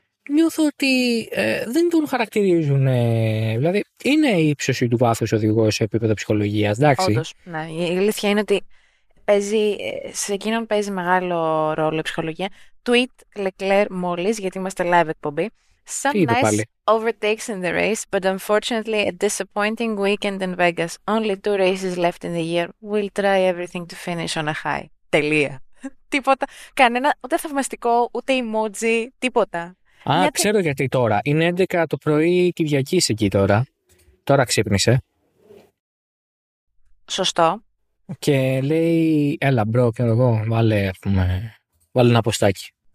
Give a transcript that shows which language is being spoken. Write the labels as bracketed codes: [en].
[el] Νιώθω ότι δεν τον χαρακτηρίζουν. Δηλαδή, είναι η ύψωση του βάθους οδηγό σε επίπεδο ψυχολογίας, εντάξει. Όντως, ναι. Η αλήθεια είναι ότι παίζει, σε εκείνον παίζει μεγάλο ρόλο η ψυχολογία. Tweet Leclerc μόλις, γιατί είμαστε live εκπομπή. [en] Some [el] είπε [en] nice [el] πάλι. [en] Overtakes in the race, but unfortunately a disappointing weekend in Vegas. Only two races left in the year. We'll try everything to finish on a high. [el] Τελεία. Τίποτα. Κανένα, ούτε θαυμαστικό, ούτε emoji, τίποτα. Α, μια ξέρω γιατί τώρα. Είναι 11 το πρωί Κυριακή εκεί τώρα. Τώρα ξύπνησε. Σωστό. Και λέει, έλα μπρο, και εγώ, βάλε, ας πούμε, βάλε ένα ποστάκι.